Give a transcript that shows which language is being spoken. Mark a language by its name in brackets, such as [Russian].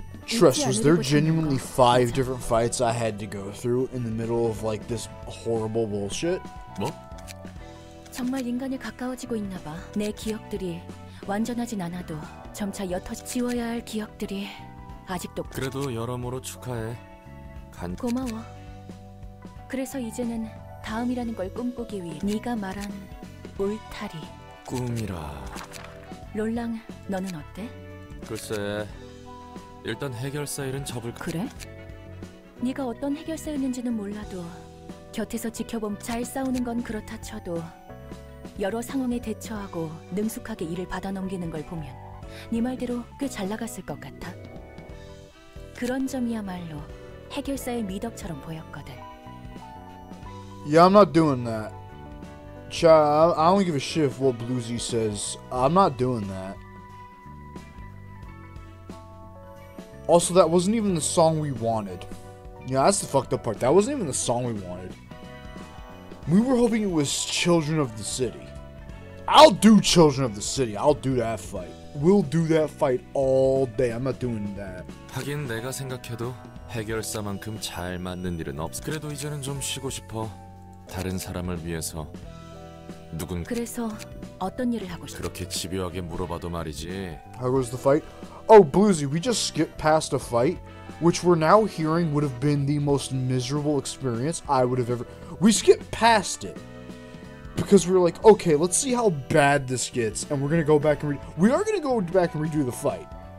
[English] Trust, was there genuinely five different fights I had to go through in the middle of, like, this horrible bullshit? What? [Korean] 정말 인간에 가까워지고 있나 봐. 내 기억들이 완전하진 않아도 점차 옅어 지워야 할 기억들이 아직도... 그래도 여러모로 축하해. 간... 고마워. 그래서 이제는 다음이라는 걸 꿈꾸기 위해 네가 말한 울타리. 꿈이라... 롤랑, 너는 어때? 글쎄, 일단 해결사 일은 접을... 그래? 네가 어떤 해결사였는지는 몰라도 곁에서 지켜봄 잘 싸우는 건 그렇다 쳐도 여러 상황에 대처하고 능숙하게 일을 받아 넘기는 걸 보면 네 말대로 꽤 잘 나갔을 것 같아. 그런 점이야말로 해결사의 미덕처럼 보였거든. [English] Yeah, I'm not doing that. Child, I don't give a shit if what Bluesy says. I'm not doing that. Also, that wasn't even the song we wanted. Yeah, that's the fucked up part. That wasn't even the song we wanted. We were hoping it was Children of the City. I'll do Children of the City. I'll do that fight. We'll do that fight all day. I'm not doing that. [Korean] 하긴 내가 생각해도 해결사만큼 잘 맞는 일은 없어. 그래도 이제는 좀 쉬고 싶어. 다른 사람을 위해서 누군... 그래서 어떤 일을 하고 싶어? 그렇게 집요하게 물어봐도 말이지. [English] How was the fight? Oh, Bluesy, we just skipped past a fight, which we're now hearing would have been the most miserable experience I would have ever... We skipped past it. Because we were like, okay, let's see how bad this gets, and we're gonna go back and re- We are gonna go back and redo the fight.